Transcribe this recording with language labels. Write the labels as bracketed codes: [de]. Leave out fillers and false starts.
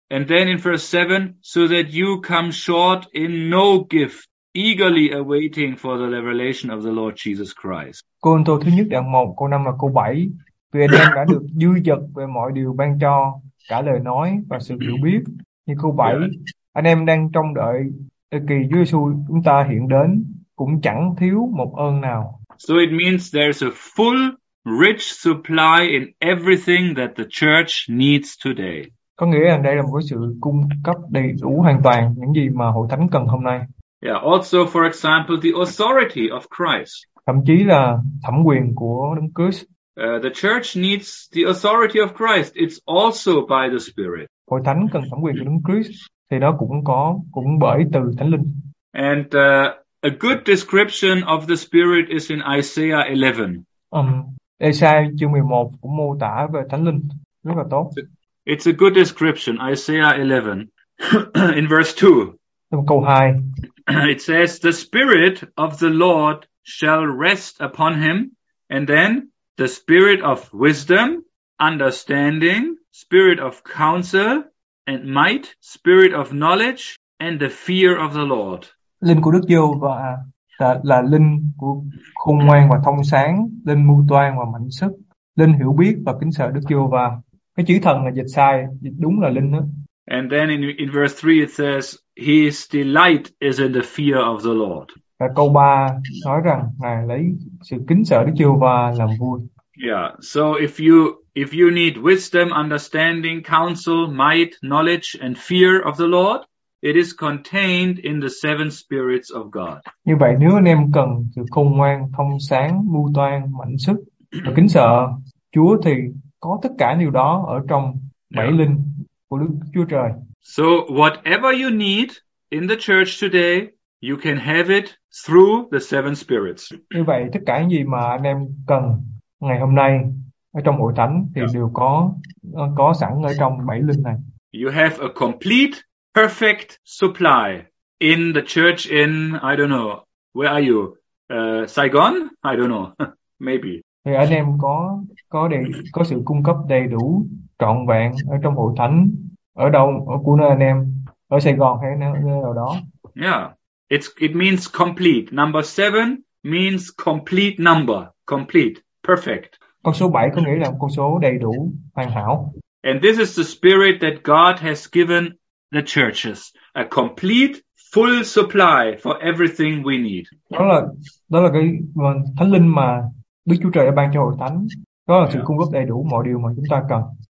[en] And then in verse 7, so that you come short in no gift, eagerly awaiting for the revelation of the Lord Jesus Christ. [vi] Côrintô thứ nhất đoạn 1, câu 5 và câu 7. Vì anh em đã được dư dật về mọi điều ban cho, cả lời nói và sự hiểu biết. Như câu 7, anh em đang trông đợi kỳ Chúa Giêsu chúng ta hiện đến, cũng chẳng thiếu một ơn nào. [en] So it means there's a full, rich supply in everything that the church needs today. [vi] Có nghĩa là đây là một sự cung cấp đầy đủ hoàn toàn những gì mà hội thánh cần hôm nay. [en] Yeah, also for example the authority of Christ. [vi] Thậm chí là thẩm quyền của Đấng Christ. [en] The church needs the authority of Christ. It's also by the Spirit. [vi] Hội thánh cần thẩm quyền của Đấng Christ thì nó cũng bởi từ Thánh Linh. [en] And a good description of the Spirit is in Isaiah 11. [vi] Isaiah chương 11 cũng mô tả về Thánh Linh rất là tốt. [en] It's a good description, Isaiah 11, in verse 2. [vi] Trong câu 2. [en] It says, the Spirit of the Lord shall rest upon him, and then the Spirit of wisdom, understanding, Spirit of counsel, and might, Spirit of knowledge, and the fear of the Lord. [vi] Linh của Đức Giê-hô-va là linh của khôn ngoan và thông sáng, linh mưu toan và mạnh sức, linh hiểu biết và kính sợ Đức Giê-hô-va. Cái chữ thần là dịch sai, dịch đúng là linh đó. [en] And then in verse 3 it says, his delight is in the fear of the Lord. [vi] Và câu 3 nói rằng Ngài lấy sự kính sợ Đức Giê-hô-va làm vui. [en] Yeah, so if you need wisdom, understanding, counsel, might, knowledge and fear of the Lord, it is contained in the seven spirits of God. [vi] Như vậy nếu anh em cần sự khôn ngoan, thông sáng, mưu toan, mạnh sức và kính sợ Chúa thì có tất cả điều đó ở trong bảy linh của Đức Chúa Trời. [en] So whatever you need in the church today, you can have it through the seven spirits. [vi] Như vậy tất cả những gì mà anh em cần ngày hôm nay ở trong hội thánh thì đều có sẵn ở trong bảy linh này. [en] You have a complete perfect supply in the church in, I don't know, where are you? Saigon? I don't know. Maybe. [vi] Thì anh em có sự cung cấp đầy đủ trọn vẹn ở trong hội thánh ở đâu, ở của nơi anh em, ở Sài Gòn hay nơi nào đó. [en] Yeah. It means complete. Number 7 means complete number, complete, perfect. [vi] Con số 7 có nghĩa là con số đầy đủ, hoàn hảo. [en] And this is the spirit that God has given the churches, a complete full supply for everything we need. [vi] Đó là cái Thánh Linh mà Đức Chúa Trời đã ban cho hội thánh, đó là sự cung cấp đầy đủ mọi điều mà chúng ta cần.